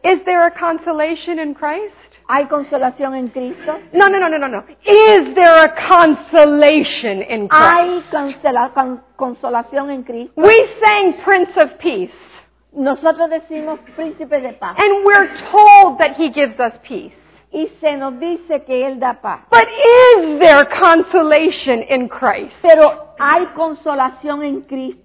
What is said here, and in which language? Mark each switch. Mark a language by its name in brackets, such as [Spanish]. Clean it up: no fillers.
[English] Is there a consolation in Christ? [Spanish] ¿Hay consolación en Cristo? [English] No. Is there a consolation in Christ? [Spanish] ¿Hay consolación en Cristo? [English] We sang Prince of Peace. [Spanish] Nosotros decimos Príncipe de Paz. [English] And we're told that he gives us peace. [Spanish] Y se nos dice que él da paz. [English] But is there consolation in Christ? [Spanish] Pero ¿hay consolación en Cristo?